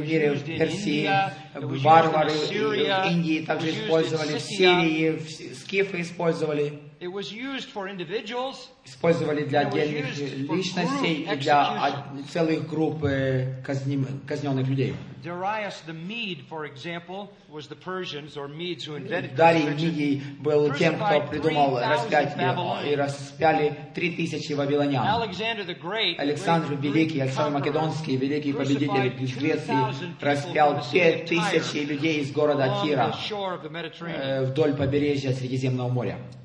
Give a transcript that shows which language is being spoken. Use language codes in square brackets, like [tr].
[en] It was used in India. [ru] Индии также использовали. В Сирии скифы использовали. [en] It was used for individuals. [ru] Использовали для отдельных личностей и для целых групп казненных людей. [en] Darius the Mede, for example, was the Persians or Medes who invented crucifixion. [ru] Дарий Мидий был тем, кто придумал распятие, и распяли 3000 вавилонян. [en] Александр the Great, [ru] Александр Великий, Александр Македонский, великий победитель из Греции, распял 5000 людей из города Тира вдоль побережья Средиземного моря.